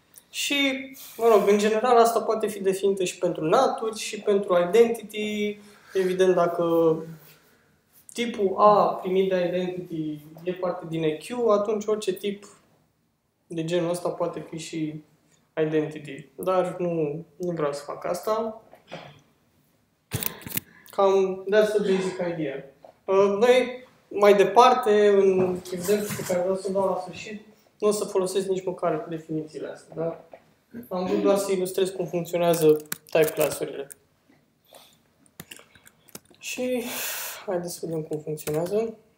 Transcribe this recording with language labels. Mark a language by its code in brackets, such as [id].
[ro] Și, mă rog, în general asta poate fi definită și pentru naturi și pentru identity. Evident, dacă tipul A primit de identity e parte din EQ, atunci orice tip de genul ăsta poate fi și identity. Dar nu vreau să fac asta. [en] Cam, that's the basic idea. [ro] Noi, mai departe, în exemplu pe care vreau să dau la sfârșit, nu o să folosesc nici măcar definițiile astea, da? Am vrut doar să ilustrez cum funcționează type class-urile. Și, haideți să vedem cum funcționează.